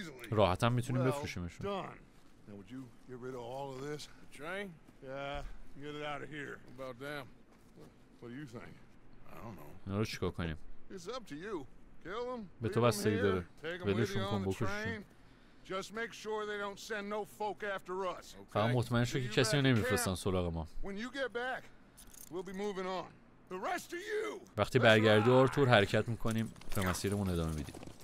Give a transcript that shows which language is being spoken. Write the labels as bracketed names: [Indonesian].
[Persian] راحت هم میتونیم بفروشیمشون. [English] Now would you get rid of all of this? The train? Yeah, get it out of here. About them. What do you think? I don't know. [Persian] نه رو چیکار کنیم؟ [English] It's up to you. Kill them. [Persian] به تو بستگی داره. ولشون کن بکششون. [English] Just make sure they don't send no folk after us. [Persian] فهم مطمئن شو که کسی رو نمیفرستن سراغ ما. [English] When you get back, we'll be moving on. The rest of you. [Persian] وقتی برگردی آرتور حرکت میکنیم به مسیرمون ادامه میدیم.